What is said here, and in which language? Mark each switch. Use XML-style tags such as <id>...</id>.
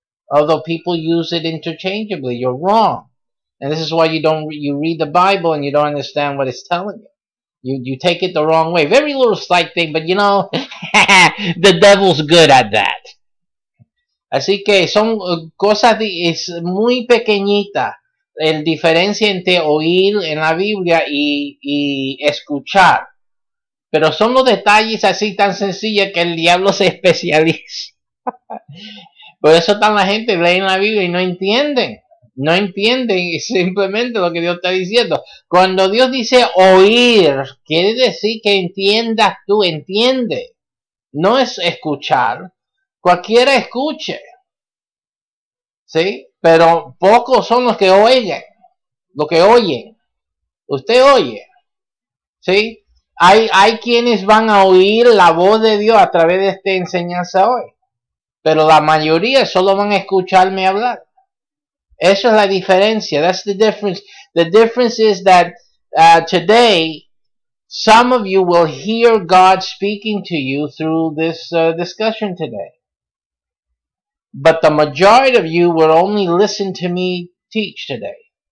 <en>Although people use it interchangeably, you're wrong. And this is why you read the Bible and you don't understand what it's telling you. You take it the wrong way. Very little slight thing, but you know, the devil's good at that.</en> <es>Así que son cosas es muy pequeñita. El diferencia entre oír en la Biblia y escuchar. Pero son los detalles así tan sencillos que el diablo se especializa. Por eso están la gente leyendo la Biblia y no entienden. No entienden simplemente lo que Dios está diciendo. Cuando Dios dice oír, quiere decir que entiendas tú, entiende. No es escuchar. Cualquiera escuche. ¿Sí? Pero pocos son los que oyen. Lo que oyen. Usted oye. ¿Sí? Hay quienes van a oír la voz de Dios a través de esta enseñanza hoy. Pero la mayoría solo van a escucharme hablar. Eso es la diferencia.</es> <en>That's the difference. The difference is that today, some of you will hear God speaking to you through this discussion today. But the majority of you will only listen to me teach today.</en>